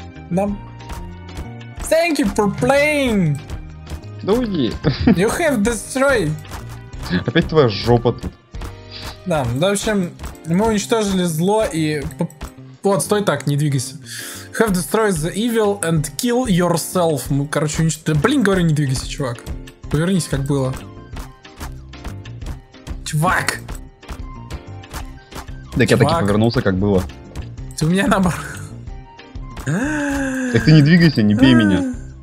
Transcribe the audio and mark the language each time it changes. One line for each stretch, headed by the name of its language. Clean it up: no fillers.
Russian: Нам.
English: Thank you for playing!
Russian: Да уйди!
English: You have destroyed!
Russian: Опять твоя жопа тут. Да, ну, в общем, мы уничтожили зло и... Вот, стой так, не двигайся.
English: Have destroyed the evil and kill yourself.
Russian: Мы, короче, уничтожили... Да, блин, говорю, не двигайся, чувак. Повернись, как было. Чувак! Так я таки повернулся, как было. Ты у меня наоборот. Так ты не двигайся, не бей меня.